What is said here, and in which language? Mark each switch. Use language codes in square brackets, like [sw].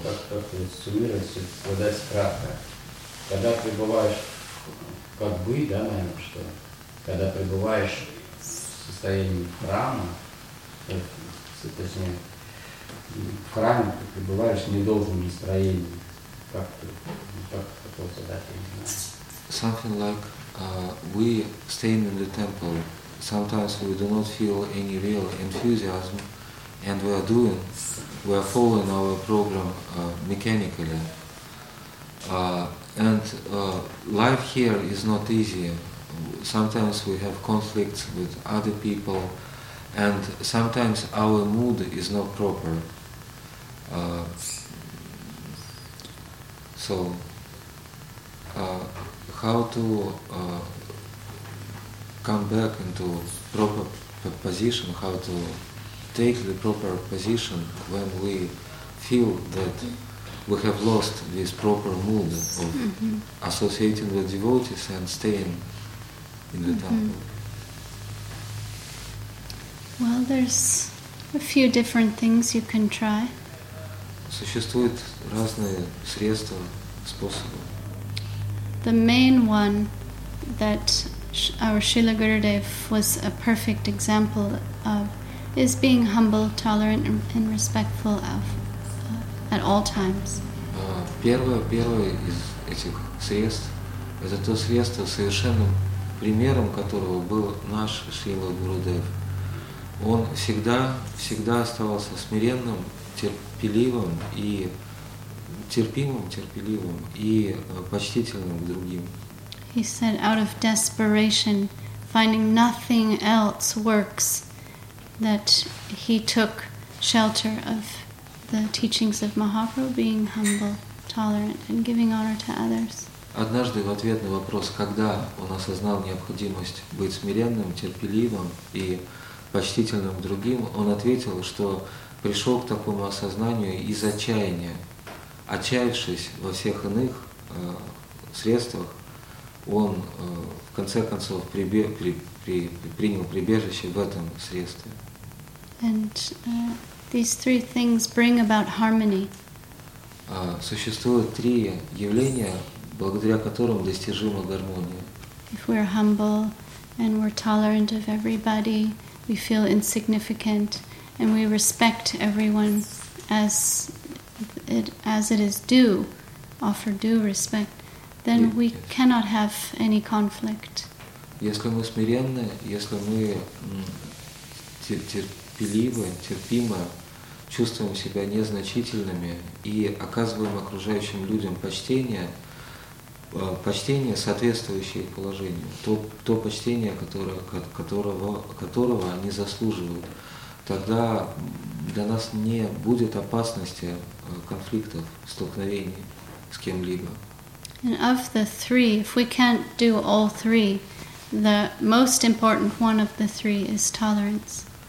[ru] Как вот суммировать, все подать кратко. Когда пребываешь как бы, да, наверное, что когда пребываешь в состоянии храма, точнее, в храме ты пребываешь в недолжном настроении. Как ты, как такого задать, я не знаю. [en] Something like we staying in the temple, sometimes we do not feel any real enthusiasm and we are following our program mechanically. Life here is not easy. Sometimes we have conflicts with other people and sometimes our mood is not proper. How to come back into proper position, how to take the proper position when we feel that we have lost this proper mood of associating with devotees and staying in the temple? Well, there's a few different things you can try. [ru] Существует разные средства, способы. [en] The main one that our Srila Gurudev was a perfect example of is being humble, tolerant, and respectful of at all times. [ru] Первое из этих средств – это то средство, совершенным примером которого был наш Шрила Гурудев. Он всегда оставался смиренным, терпеливым и терпеливым и почтительным к другим. [en] He said, out of desperation, finding nothing else works, that he took shelter of the teachings of Mahaprabhu, being humble, tolerant, and giving honor to others. [ru] Однажды в ответ на вопрос, когда он осознал необходимость быть смиренным, терпеливым и почтительным к другим, он ответил, что пришел к такому осознанию из отчаяния. Отчаявшись во всех иных средствах, он в конце концов принял прибежище в этом средстве. [en] And these three things bring about harmony. [ru] Существует три явления, благодаря которым достижима гармония. [en] If we're humble and we're tolerant of everybody, we feel insignificant and we respect everyone as it is due, offer due respect, then we cannot have any conflict. [ru] Если мы смиренны, если мы терпеливы, терпимо, чувствуем себя незначительными и оказываем окружающим людям почтение, соответствующее положению, то почтение, которого они заслуживают, тогда для нас не будет опасности конфликтов, столкновений с кем-либо. [en] And of the three, if we can't do all three, the most important one of the three is tolerance.